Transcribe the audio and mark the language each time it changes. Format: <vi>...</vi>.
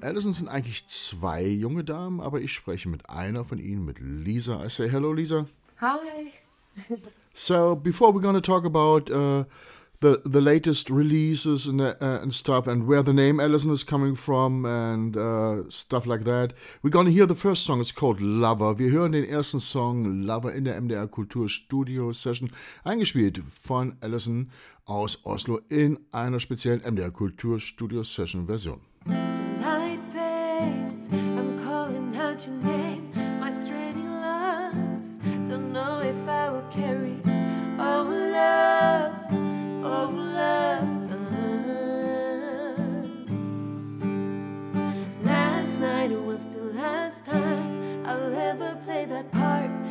<de>Allison sind eigentlich zwei junge Damen, aber ich spreche mit einer von ihnen, mit Lisa.</de> <en>I say hello, Lisa. Hi. So, before we're going to talk about the latest releases and stuff and where the name Allison is coming from and stuff like that, we're going to hear the first song. It's called Lover.</en> <de>Wir hören den ersten Song Lover in der MDR Kultur Studio Session, eingespielt von Allison aus Oslo in einer speziellen MDR Kultur Studio Session Version.</de> <en>The light fades, I'm calling out your name. My straining lungs don't know if I will carry. Oh love, oh love. Last night was the last time I'll ever play that part.</en>